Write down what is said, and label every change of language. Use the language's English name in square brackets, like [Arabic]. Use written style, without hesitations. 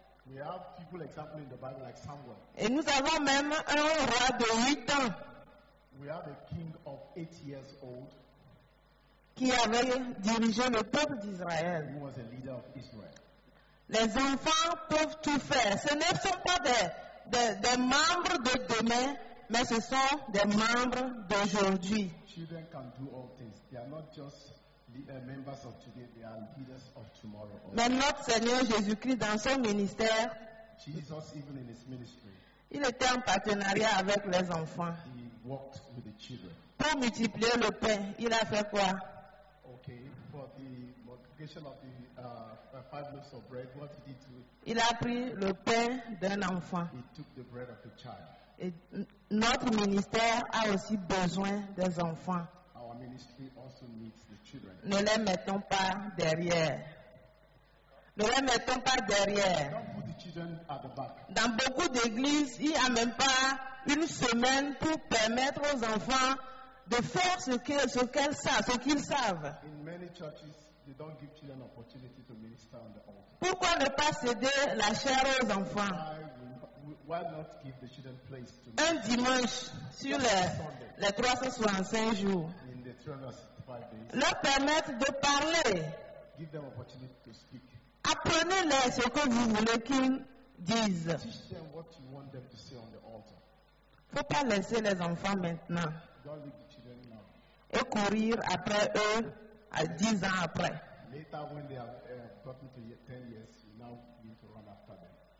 [English] We have people example in the Bible like Samuel. [French] Et nous avons même un roi de 8 ans. [English] We have a king of 8 years old. [French] Qui avait dirigé le peuple d'Israël. [English] Who was a leader of Israel. [French] Les enfants peuvent tout faire. Ce ne sont pas des membres de demain, mais ce sont des membres d'aujourd'hui. [English] Children can do all things. They are not just members of today, they are leaders of tomorrow. [French] Mais notre Seigneur Jésus-Christ dans son ministère, [English] Jesus, even in his ministry, [French] il était en partenariat avec les enfants. [English] He worked with the children. [French] Pour multiplier le pain, il a fait quoi? [English] Okay, for the multiplication of the 5 loaves of bread, what did he do? [French] Il a pris le pain d'un enfant. [English] He took the bread of a child. [French] Et notre ministère a aussi besoin des enfants. [English] Our ministry also needs the children. [French] Ne les mettons pas derrière. Ne les mettons pas derrière. [English] Don't put the children at the back. [French] Dans beaucoup d'églises, il n'y a même pas une semaine pour permettre aux enfants de faire ce qu'ils savent. [English] In many churches, they don't give children opportunity to minister on the altar. [French] Pourquoi ne pas céder la chair aux enfants? [English] Why not give the children place to [French] un dimanche sur les 365 jours? [English] In the 365 days, [French] leur permettre de parler. [English] Give them opportunity to speak. [French] Apprenez-les ce que vous voulez qu'ils disent. [English] Teach them what you want them to say on the altar. [French] Faut pas laisser les enfants maintenant. [English] Don't leave the children now. [French] Et courir après eux à 10 ans après. [English] Later when they have gotten to 10 years, you now need to run after them.